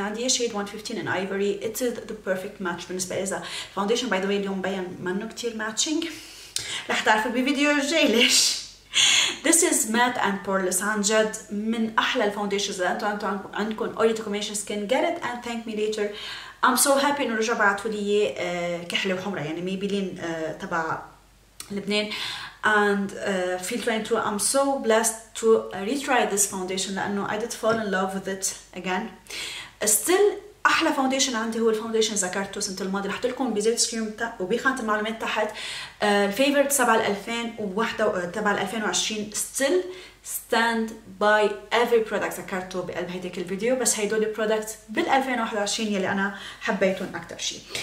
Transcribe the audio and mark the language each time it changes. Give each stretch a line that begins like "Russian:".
Arabic: عندي shade 115 in ivory
English: it is the perfect match
Arabic: بالنسبة لإذا foundation
English: by the way
Arabic: اليوم بيان منه كتير matching رح تعرفوا بفيديو الجاي ليش.
English: This is matte and poreless.
Arabic: عن جد من أحلى الفاونديشنز اللي أنتم عندكم
English: oily to combination skin. Get it and thank me later. I'm so happy
Arabic: إنه رجع بعتوا لي كحلة وحمرة يعني ميبلين تبع لبنان.
English: And feel 22. I'm so blessed to retry this foundation
Arabic: لأنه
English: I did fall in love with it again. Still
Arabic: احلى فاونديشن عندي هو الفاونديشن ذكرته السنه الماضيه، حط لكم بزيت سكريم وبخانه المعلومات تحت الفيفورت تبع 2001 تبع 2020
English: still stand by every product
Arabic: ذكرته بقلب هيداك الفيديو، بس هيدول البرودكت بال 2021 يلي انا حبيتهم اكثر شيء.